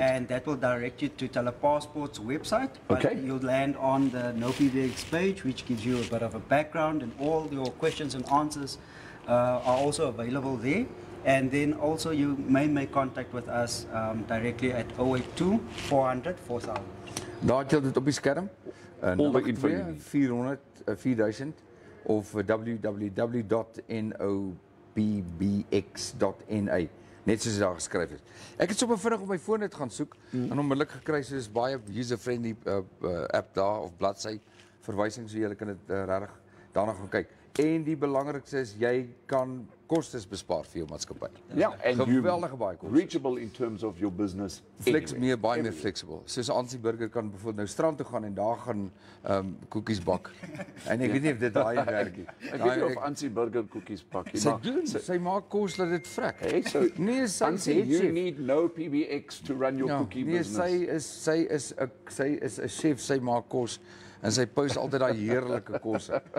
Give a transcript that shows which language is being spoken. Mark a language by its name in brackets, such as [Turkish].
[English] and that will direct you to Telepassport's website. But okay, you'll land on the NoPBX page, which gives you a bit of a background, and all your questions and answers are also available there. And then also you may make contact with us directly at 082-400-4000. [Afrikaans] Daar het jy dit op die skerm. [English] All the info. [Afrikaans] 400-4000 of www.nopbx.na. Net soos daar geskryf is. Ek het sommer vinnig op my foon dit gaan soek en onmiddellik gekry is baie user-friendly app daar of bladsy verwysings, so jy kan dit regtig daarna gaan kyk. En die belangrikste is jy kan kostes bespaar vir jou maatskappy. Ja, en geweldige baie kostes. [English] Reachable in terms of your business. [Afrikaans] Baie meer flexible. Soos Ansie Burger kan bijvoorbeeld nou strand toe gaan en daar gaan koekies bak. En ek weet nie of dit daai werk nie. Ek weet nie of Ansie Burger koekies bak nie. Sy doen, sy maak kos dat dit vrek. Nee, [English] Ansie, you need no PBX to run your cookie business. [Afrikaans] Nee, sy is 'n chef, sy maak kos en sy post altyd daai heerlike kos.